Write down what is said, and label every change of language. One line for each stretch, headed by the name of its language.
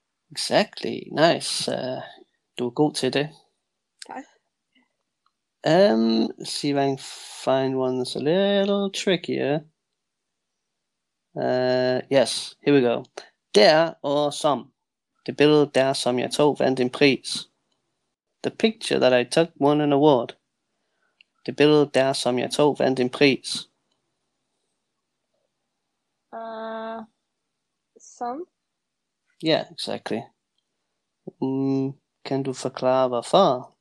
English: Exactly. Nice.
Danish: Du er god til det. Okay.
English: Let's see if I can find one that's a little trickier. Yes, here we go. Der or som.
Danish: Det billede der som jeg tog vandt en pris.
English: The picture that I took won an award.
Danish: Det billede der som jeg tog vandt en pris. Som?
English: Yeah, exactly.
Danish: Kan du forklare hvorfor?